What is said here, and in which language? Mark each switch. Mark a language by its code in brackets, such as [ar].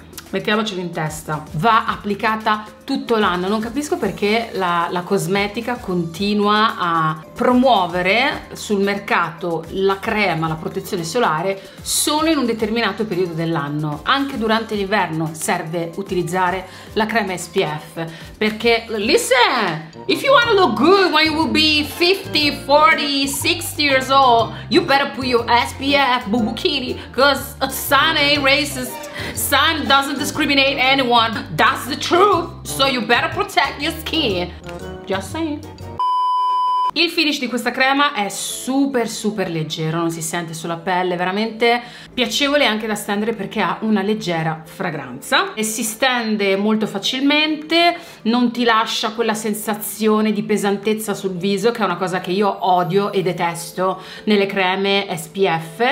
[it] Mettiamocelo in testa. Va applicata tutto l'anno. Non capisco perché la cosmetica continua a promuovere sul mercato la crema, la protezione solare, solo in un determinato periodo dell'anno. Anche durante l'inverno serve utilizzare la crema SPF. [en] Perché, listen, if you want to look good when you will be 50, 40, 60 years old, you better put your SPF, Bubukiri, because the sun ain't racist. Sun doesn't discriminate anyone, that's the truth, so you better protect your skin. Just saying. [it] Il finish di questa crema è super super leggero, non si sente sulla pelle, veramente piacevole anche da stendere perché ha una leggera fragranza e si stende molto facilmente, non ti lascia quella sensazione di pesantezza sul viso, che è una cosa che io odio e detesto nelle creme SPF.